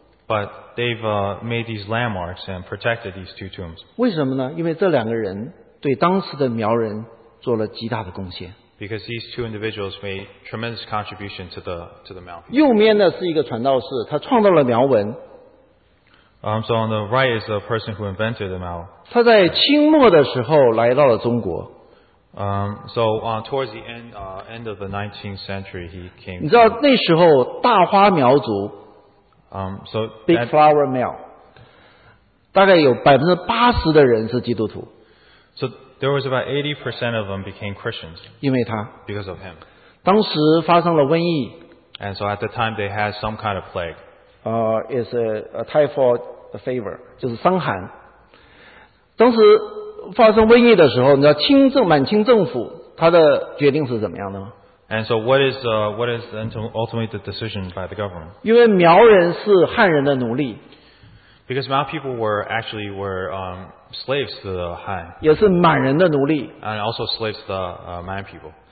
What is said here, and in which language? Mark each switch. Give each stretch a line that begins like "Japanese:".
English: But they've made these landmarks and protected these two tombs.
Chinese: 为什么呢？因为这两个人对当时的苗人做了极大的贡献。
English: Because these two individuals made tremendous contribution to the Miao.
Chinese: 右面的是一个传道士，他创造了苗文。
English: So on the right is the person who invented the Miao.
Chinese: 他在清末的时候来到了中国。
English: towards the end of the 19th century, he came.
Chinese: 你知道那时候大花苗族,
English: so big flower male,
Chinese: 大概有 80% 的人是基督徒。
English: So there was about 80% of them became Christians.
Chinese: 因为他,
English: because of him.
Chinese: 当时发生了瘟疫,
English: and so at the time they had some kind of plague. It's a typhoid fever,
Chinese: 就是伤寒。当时 发生瘟疫的时候，你知道清政府他的决定是怎么样的吗？
English: And so what is ultimately the decision by the government?
Chinese: 因为苗人是汉人的奴隶。
English: Because Mao people were actually slaves to the Han.
Chinese: 也是满人的奴隶。
English: And also slaves to the Man people.